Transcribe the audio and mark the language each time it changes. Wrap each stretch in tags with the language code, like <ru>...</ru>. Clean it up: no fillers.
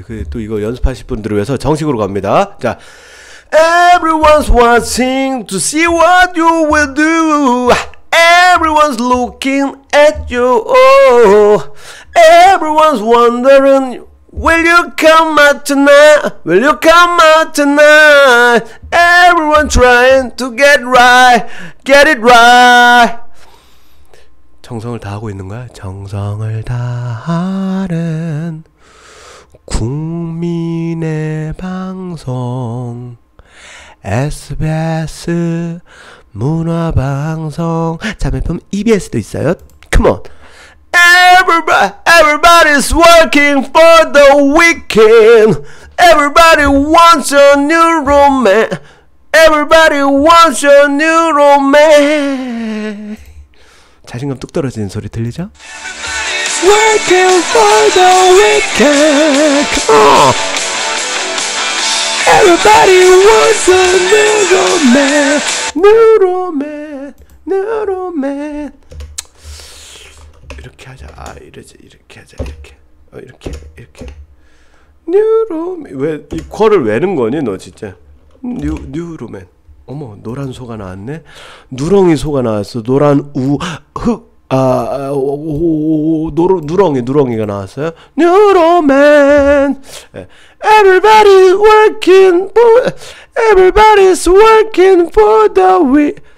<ko>또 이거 연습하실 분들을 위해서 정식으로 갑니다.</ko> <en>자, Everyone's watching to see what you will do. Everyone's looking at you. Everyone's wondering, will you come out tonight? Will you come out tonight? Everyone trying to get right. Get it right.</en> <ko>정성을 다하고 있는 거야? 정성을 다하는 국민의 방송 SBS 문화방송 자매품 EBS도 있어요.</ko> <en>Come on! Everybody's working for the weekend. Everybody wants a new romance. Everybody wants a new romance.</en> <ko>자신감 뚝 떨어지는 소리 들리죠?</ko> <en>Working for the weekend. Everybody wants a new romance. New romance. New romance.</en> <ko>이렇게 하자. 이렇게 하자. 이렇게. 이렇게.</ko> <en>New romance.</en> <ko>왜 이 퀄을 외는 거니 너 진짜?</ko> <en>New romance.</en> <ko>어머 노란 소가 나왔네. 누렁이 소가 나왔어. 노란 우흑 누렁이, 누렁이가 나왔어요. 뉴로맨.</ko> <en>Everybody's working for, everybody's working for the win.</en>